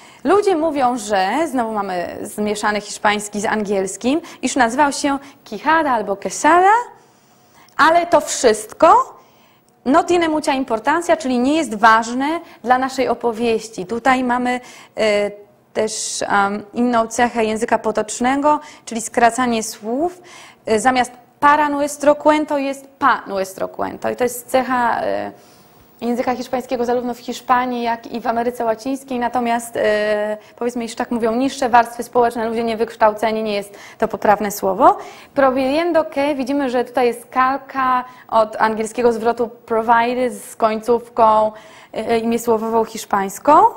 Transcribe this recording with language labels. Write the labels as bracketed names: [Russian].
[Polish] Ludzie mówią, że, znowu mamy zmieszany hiszpański z angielskim, iż nazywał się Quijada albo Quesada, ale to wszystko. [Spanish] No tiene mucha importancia, [Polish] czyli nie jest ważne dla naszej opowieści. Tutaj mamy też inną cechę języka potocznego, czyli skracanie słów. Zamiast [Spanish] para nuestro cuento [Polish] jest [Spanish] pa nuestro cuento. [Polish] I to jest cecha języka hiszpańskiego zarówno w Hiszpanii, jak i w Ameryce Łacińskiej. Natomiast powiedzmy, iż tak mówią niższe warstwy społeczne, ludzie niewykształceni, nie jest to poprawne słowo. Proviendo que, widzimy, że tutaj jest kalka od angielskiego zwrotu provide z końcówką imię słowową hiszpańską.